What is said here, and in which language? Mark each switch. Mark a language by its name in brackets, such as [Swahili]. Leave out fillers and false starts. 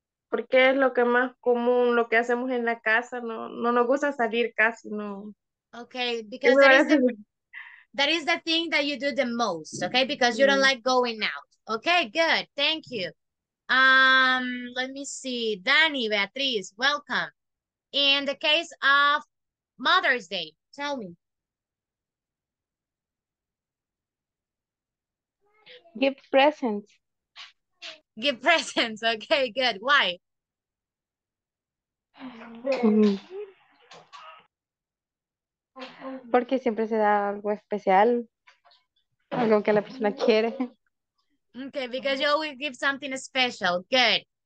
[Spanish] Porque es lo que más común, lo que hacemos en la casa, no, no nos gusta salir casi, no. [English] Okay, because that is the thing that you do the most, okay? Because you don't like going out. Okay, good, thank you. Let me see, Dani, Beatriz, welcome. In the case of Mother's Day, tell me. Give presents. Give presents, okay, good. Why? [Spanish] Porque siempre se da algo especial, algo que la persona quiere. [English] Okay, because you always give something special, good.